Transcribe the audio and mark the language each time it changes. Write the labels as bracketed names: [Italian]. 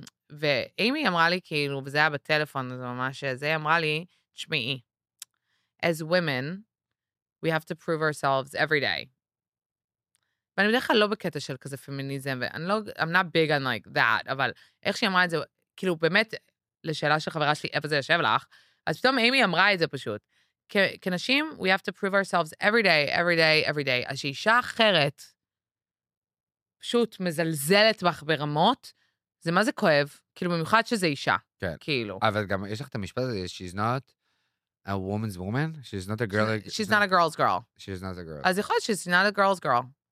[Hebrew] ואם היא אמרה לי, כאילו, וזה היה בטלפון, זה ממש, זה היא אמרה לי, שמי, [English] as women, we have to prove ourselves every day. [Hebrew] ואני בדרך כלל לא בקטע של כזה פמיניזם, ואני לא, [English] I'm not big on like that, [Hebrew] אבל איך שהיא אמרה את זה, כאילו, באמת, לשאלה של חברה שלי, איפה זה יושב לך, אז פתאום אימי אמרה את זה פשוט. כנשים, [English] we have to prove ourselves every day, every day, every day. [Hebrew] אז שאישה אחרת, פשוט מזלזלת בך ברמות, זה מה זה כואב? כאילו, במיוחד שזה אישה. כן. כאילו. אבל גם יש לך את המשפט הזה, [English] she's not a woman's woman, she's not a girl. She's not a girl's girl. She's not a girl. [Hebrew] אז יכול להיות [English] she's not a girl's girl.